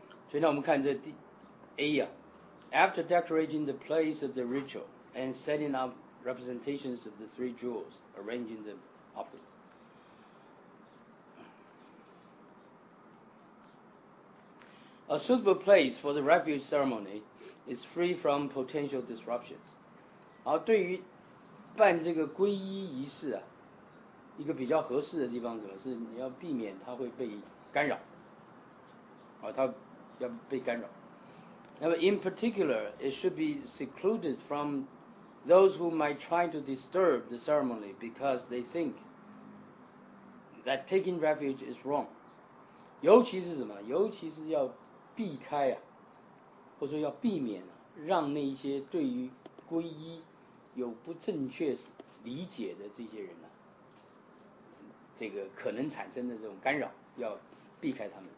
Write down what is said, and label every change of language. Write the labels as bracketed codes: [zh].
[zh] 所以呢，我们看这第 A 呀、 [en] 啊、，After decorating the place of the ritual and setting up representations of the three jewels, arranging the offerings， 。A suitable place for the refuge ceremony is free from potential disruptions。 [zh] 而对于办这个皈依仪式啊，一个比较合适的地方什么是你要避免它会被干扰，啊，它。要被干扰。 [en] 那么 in particular, it should be secluded from those who might try to disturb the ceremony because they think that taking refuge is wrong. [zh] 尤其是什么？尤其是要避开啊，或者说要避免啊，让那些对于皈依有不正确理解的这些人啊，这个可能产生的这种干扰，要避开他们。